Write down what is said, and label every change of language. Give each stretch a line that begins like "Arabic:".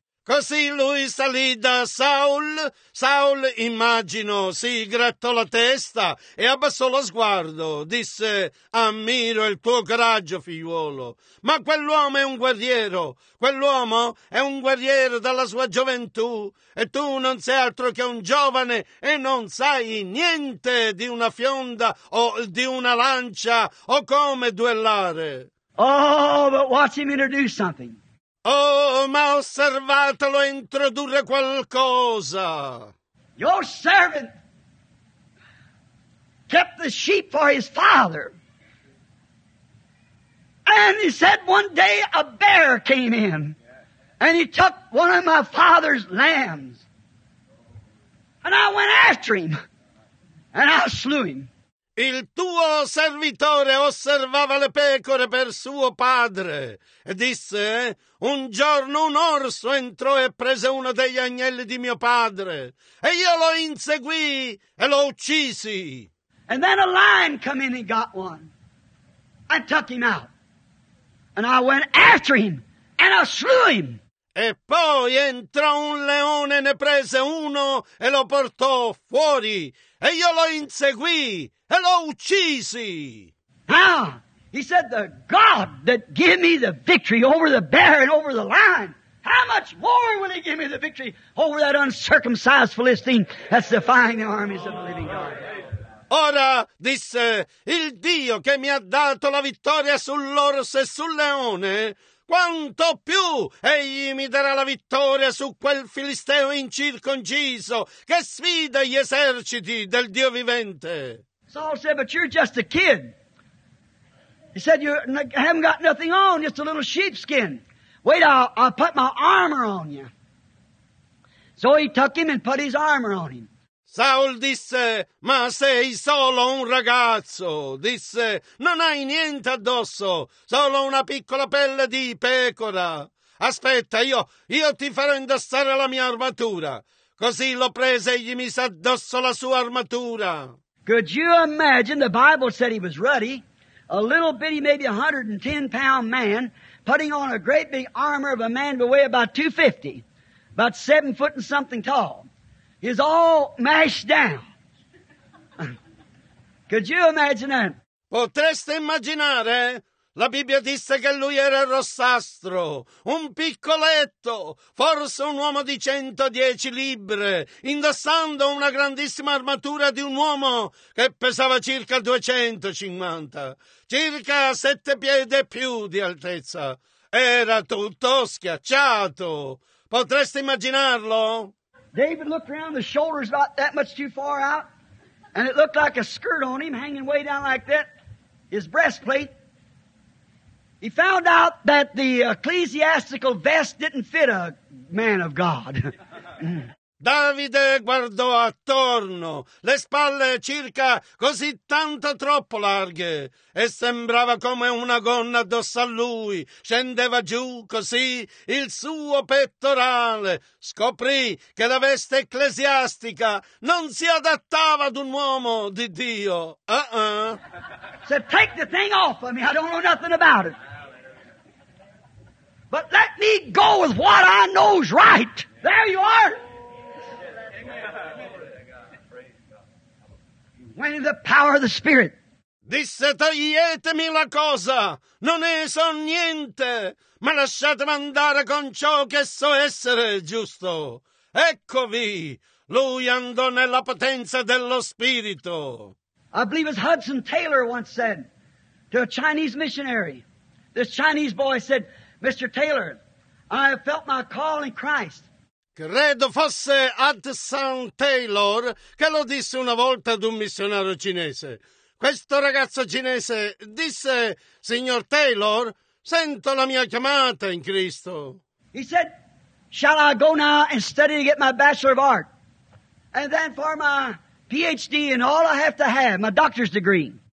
Italian: Così lui salì da Saul. Saul, immagino, si grattò la testa e abbassò lo sguardo. Disse, ammiro il tuo coraggio, figliuolo. Ma quell'uomo è un guerriero. Quell'uomo è un guerriero dalla sua gioventù. E tu non sei altro che un giovane e non sai niente di una fionda o di una lancia o come duellare.
English: Oh, but watch him introduce something.
Italian: Oh, ma osservatelo introdurre qualcosa.
English: Your servant kept the sheep for his father. And he said one day a bear came in. And he took one of my father's lambs. And I went after him. And I slew him.
Italian: Il tuo servitore osservava le pecore per suo padre e disse: un giorno un orso entrò e prese uno degli agnelli di mio padre e io lo inseguì e lo uccisi.
English: And then a lion came in and got one. I took him out. And I went after him and I slew him.
Italian: E poi entrò un leone, ne prese uno e lo portò fuori. E io lo inseguì e lo uccisi.
English: Now, he said, the God that gave me the victory over the bear and over the lion, how much more will he give me the victory over that uncircumcised Philistine that's defying the armies of the living God?
Italian: Ora, disse, il Dio che mi ha dato la vittoria sull'orso e sul leone, quanto più egli mi darà la vittoria su quel filisteo incirconciso che sfida gli eserciti del Dio vivente.
English: Saul said, but you're just a kid. He said, you haven't got nothing on, just a little sheepskin. Wait, I'll put my armor on you. So he took him and put his armor on him.
Italian: Saul disse, ma sei solo un ragazzo. Disse, non hai niente addosso, solo una piccola pelle di pecora. Aspetta, io ti farò indossare la mia armatura. Così lo prese e gli mise addosso la sua armatura.
English: Could you imagine, the Bible said he was ruddy, a little bitty, maybe 110-pound man, putting on a great big armor of a man to weigh about 250, about 7 foot and something tall. He's all mashed down. Could you imagine that?
Italian: Potreste immaginare? La Bibbia disse che lui era rossastro, un piccoletto, forse un uomo di 110 libbre, indossando una grandissima armatura di un uomo che pesava circa 250, circa 7 piedi più di altezza. Era tutto schiacciato. Potreste immaginarlo?
English: David looked around, the shoulders about that much too far out, and it looked like a skirt on him hanging way down like that, his breastplate. He found out that the ecclesiastical vest didn't fit a man of God.
Italian: Davide guardò attorno, le spalle circa così tanto troppo larghe, e sembrava come una gonna addosso a lui. Scendeva giù così il suo pettorale. Scoprì che la veste ecclesiastica non si adattava ad un uomo di Dio.
English: So take the thing off of me, I don't know nothing about it. But let me go with what I know's right. There you are. When the power of the Spirit.
Italian: Disse, toglietemi la cosa, non ne so niente, ma lasciatemi andare con ciò che so essere giusto. Eccovi, lui andò nella potenza dello Spirito.
English: I believe as Hudson Taylor once said to a Chinese missionary, this Chinese boy said, Mr. Taylor, I have felt my call in Christ.
Italian: Credo fosse Hudson Taylor che lo disse una volta ad un missionario cinese. Questo ragazzo cinese disse, signor Taylor, sento la mia chiamata in Cristo.
English: He said, shall I go now and study to get my Bachelor of Art? And then for my PhD and all I have, my doctor's degree.